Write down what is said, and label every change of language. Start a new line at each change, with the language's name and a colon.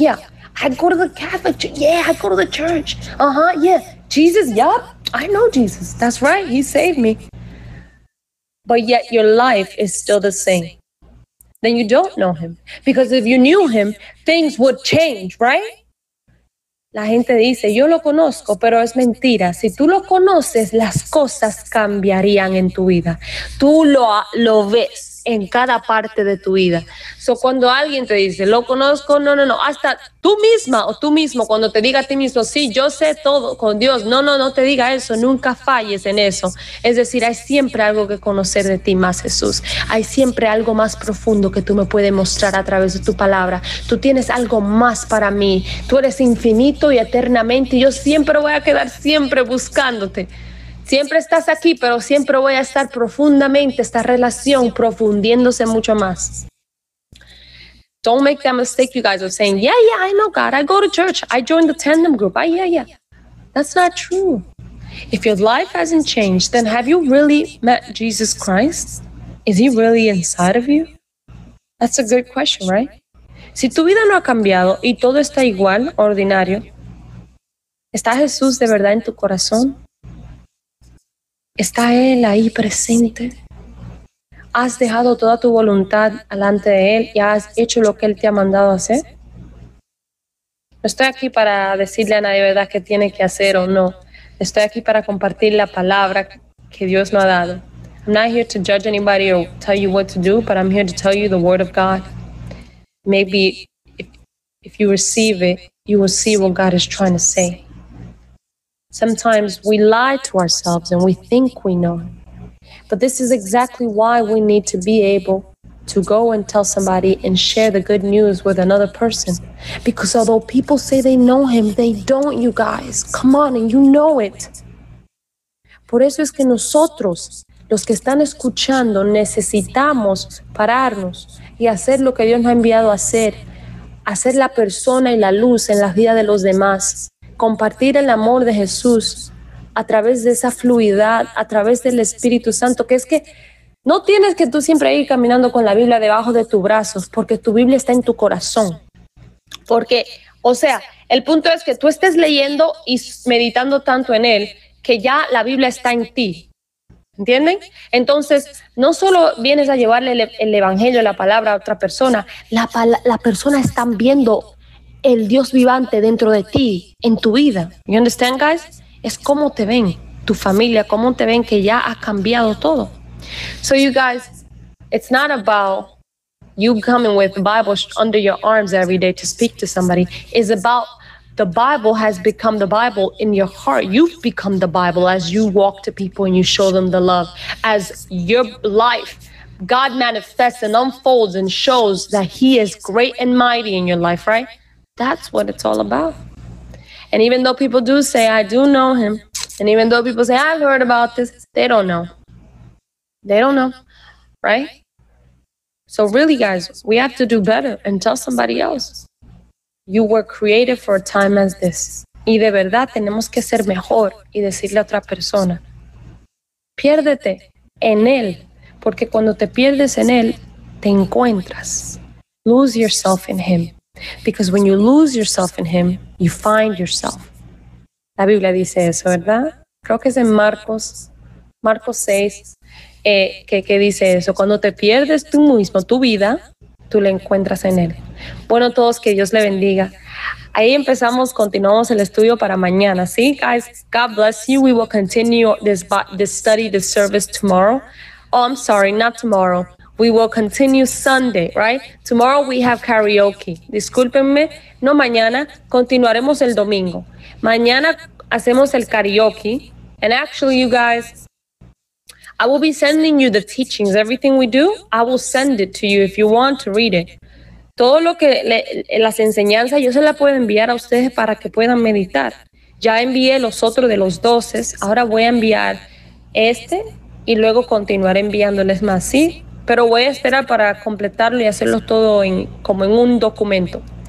English: Yeah, I go to the Catholic church. Yeah, I go to the church. Uh-huh, yeah. Jesus, yep, I know Jesus. That's right. He saved me. But yet your life is still the same. Then you don't know him. Because if you knew him, things would change, right?
Spanish: La gente dice, yo lo conozco, pero es mentira. Si tú lo conoces, las cosas cambiarían en tu vida. Tú lo ves en cada parte de tu vida. So cuando alguien te dice, lo conozco, no. Hasta tú misma o tú mismo, cuando te diga a ti mismo, sí, yo sé todo con Dios. No te diga eso. Nunca falles en eso. Es decir, hay siempre algo que conocer de ti más, Jesús. Hay siempre algo más profundo que tú me puedes mostrar a través de tu palabra. Tú tienes algo más para mí. Tú eres infinito y eternamente. Y yo siempre voy a quedar siempre buscándote. Siempre estás aquí, pero siempre voy a estar profundamente, esta relación profundiéndose mucho más.
English: Don't make that mistake, you guys, of saying, yeah, I know God, I go to church, I join the tandem group, yeah. That's not true. If your life hasn't changed, then have you really met Jesus Christ? Is he really inside of you? That's a good question, right?
Spanish: Si tu vida no ha cambiado y todo está igual, ordinario, ¿está Jesús de verdad en tu corazón? ¿Está Él ahí presente? ¿Has dejado toda tu voluntad delante de Él y has hecho lo que Él te ha mandado hacer? No estoy aquí para decirle a nadie, ¿verdad?, qué tiene que hacer o no. Estoy aquí para compartir la palabra que Dios me ha dado.
English: I'm not here to judge anybody or tell you what to do, but I'm here to tell you the word of God. Maybe if you receive it, you will see what God is trying to say. Sometimes we lie to ourselves and we think we know. But this is exactly why we need to be able to go and tell somebody and share the good news with another person. Because although people say they know him, they don't, you guys. Come on, and you know it.
Spanish: Por eso es que nosotros, los que están escuchando, necesitamos pararnos y hacer lo que Dios nos ha enviado a hacer. Hacer la persona y la luz en la vida de los demás. Compartir el amor de Jesús a través de esa fluidez, a través del Espíritu Santo, que es que no tienes que tú siempre ir caminando con la Biblia debajo de tus brazos, porque tu Biblia está en tu corazón. Porque, o sea, el punto es que tú estés leyendo y meditando tanto en él, que ya la Biblia está en ti. ¿Entienden? Entonces, no solo vienes a llevarle el Evangelio, la palabra a otra persona, la persona está viendo el Dios vivante dentro de ti, en tu vida.
English: You understand, guys?
Spanish: Es cómo te ven tu familia, cómo te ven que ya ha cambiado todo.
English: So you guys, it's not about you coming with the Bible under your arms every day to speak to somebody. It's about the Bible has become the Bible in your heart. You've become the Bible as you walk to people and you show them the love. As your life, God manifests and unfolds and shows that he is great and mighty in your life, right? That's what it's all about. And even though people do say, I do know him, and even though people say, I've heard about this, they don't know. They don't know, right? So really, guys, we have to do better and tell somebody else. You were created for a time as this.
Spanish: Y de verdad tenemos que ser mejor y decirle a otra persona. Piérdete en él, porque cuando te pierdes en él, te encuentras.
English: Lose yourself in him. Because when you lose yourself in him, you find yourself.
Spanish: La Biblia dice eso, ¿verdad? Creo que es en Marcos 6, que dice eso. Cuando te pierdes tú mismo, tu vida, tú la encuentras en él. Bueno, todos, que Dios le bendiga. Ahí empezamos, continuamos el estudio para mañana. ¿Sí, guys?
English: God bless you. We will continue this study, this service tomorrow. Oh, I'm sorry, not tomorrow. We will continue Sunday, right? Tomorrow we have karaoke.
Spanish: Discúlpenme, no mañana, continuaremos el domingo. Mañana hacemos el karaoke.
English: And actually, you guys, I will be sending you the teachings. Everything we do, I will send it to you if you want to read it.
Spanish: Todo lo que las enseñanzas, yo se las puedo enviar a ustedes para que puedan meditar. Ya envié los otros de los 12. Ahora voy a enviar este y luego continuaré enviándoles más, ¿sí? Pero voy a esperar para completarlo y hacerlo todo en, como en un documento.